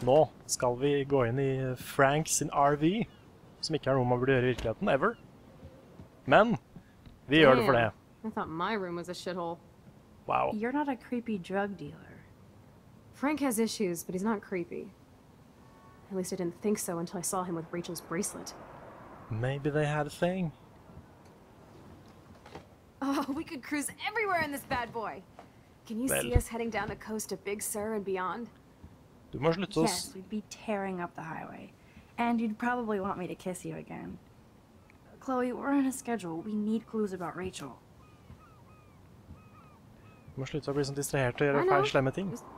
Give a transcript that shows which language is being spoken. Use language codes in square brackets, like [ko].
[no] Nå skal vi gå inn I Frank sin RV, som ikke noe man burde gjøre I virkeligheten, [en] ever. [no] Men, vi gjør det for det. [en] I thought my room was a shithole. Wow. You're not a creepy drug dealer. Frank has issues, but he's not creepy. At least I didn't think so until I saw him with Rachel's bracelet. Maybe they had a thing. Oh, we could cruise everywhere in this bad boy. Can you see us heading down the coast to Big Sur and beyond? [no] Du må slutte oss. [en] Yes, we'd be tearing up the highway. And you'd probably want me to kiss you again. Chloe, we're on a schedule. We need clues about Rachel. [no] Du må slutte å bli sånn distrahert og gjøre feil slemme ting.